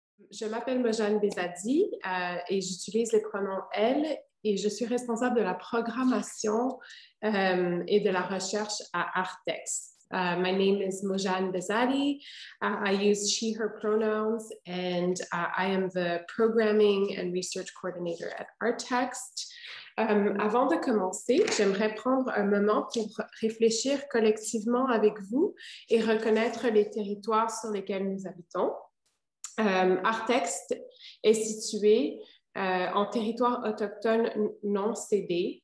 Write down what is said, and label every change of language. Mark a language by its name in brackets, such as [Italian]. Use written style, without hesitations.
[French] Je m'appelle Mojane Bezadi et j'utilise le pronom elle et je suis responsable de la programmation et de la recherche à Artexte. [English] My name is Mojane Bezadi. I use she, her pronouns, and I am the programming and research coordinator at Artexte. [French] Avant de commencer, j'aimerais prendre un moment pour réfléchir collectivement avec vous et reconnaître les territoires sur lesquels nous habitons. Artexte est situé en territoire autochtone non cédé.